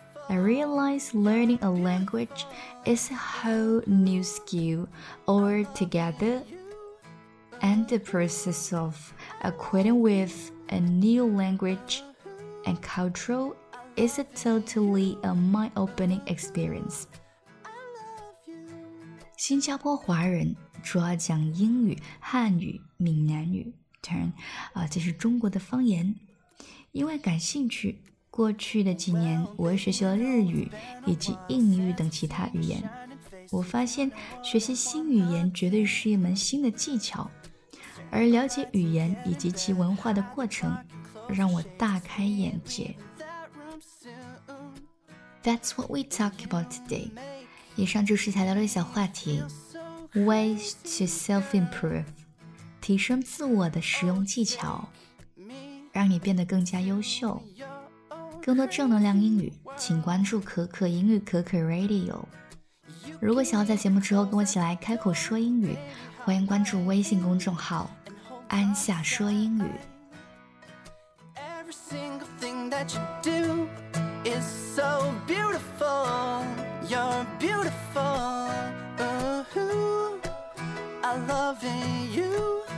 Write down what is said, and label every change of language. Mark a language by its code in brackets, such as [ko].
[en] I realize learning a language is a whole new skill altogether, and the process of acquainting with a new language and culture is a totally a mind-opening experience. [zh] 新加坡华人主要讲英语、汉语、闽南语，当然，这是中国的方言。因为感兴趣，过去的几年我学习了日语以及印尼语等其他语言。我发现学习新语言绝对是一门新的技巧，而了解语言以及其文化的过程让我大开眼界。 [en] That's what we talk about today. [zh] 以上就是材料的小话题 [en] Ways to self-improve， [zh] 提升自我的实用技巧，让你变得更加优秀。更多正能量英语请关注可可英语可可 Radio。如果想要在节目之后跟我一起来开口说英语，欢迎关注微信公众号安夏说英语。 [en] Every single thing that you do is so beautifulYou're beautiful, ooh, I love you.